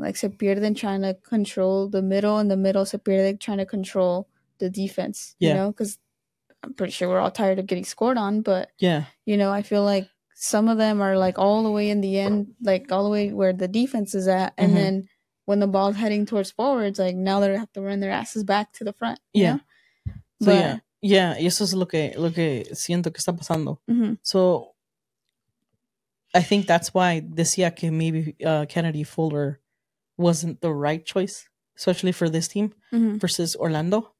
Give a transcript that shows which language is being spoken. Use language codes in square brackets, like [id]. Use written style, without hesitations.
[en] Like, [es] se pierden [en] trying to control the middle, and the middle se pierden trying to control the defense. Yeah. You know, because I'm pretty sure we're all tired of getting scored on, but, yeah, you know, I feel like some of them are, like, all the way in the end, like, all the way where the defense is at, and then when the ball's heading towards forwards, like, now they have to run their asses back to the front. Yeah. Know? So, but, yeah. Yeah, [es] y eso es lo que siento que está pasando. [en] So, I think that's why [es] decía que [en] maybe Kennedy Fuller wasn't the right choice, especially for this team versus Orlando.